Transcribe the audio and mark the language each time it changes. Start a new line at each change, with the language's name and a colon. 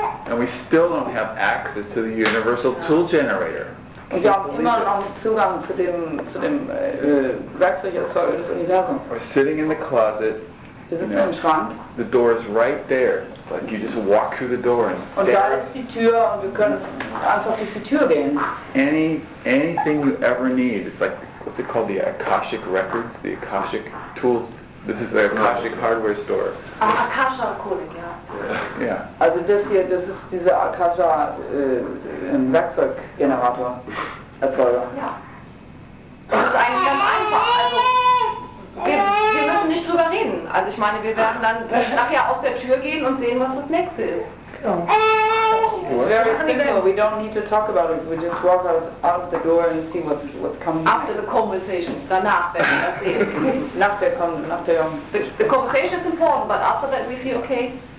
English: And we still don't have access to the universal tool generator.
German: Und wir haben immer noch Zugang zu dem Werkzeugerzeuger des Universums.
English: We're sitting in the closet.
German: Wir sitzen im Schrank.
English: The door is right there. Like you just walk through the door and.
German: Und da ist die Tür und wir können einfach durch die Tür gehen.
English: Anything you ever need, it's like. What's it called? The Akashic Records? The Akashic Tools? This is the Akashic Hardware Store. Akasha Kodik, yeah. Yeah.
German: Also this here, this is this Akasha Werkzeug Generator Erzeuger. Yeah. Das ist eigentlich ganz einfach. Also, wir müssen nicht drüber reden. Also ich meine, wir werden dann nachher aus der Tür gehen und sehen, was das nächste ist.
English: Oh. It's very simple. We don't need to talk about it. We just walk out of the door and see what's coming. After the conversation,
German: danach werden wir das sehen.
English: The conversation is important, but after that we see, okay.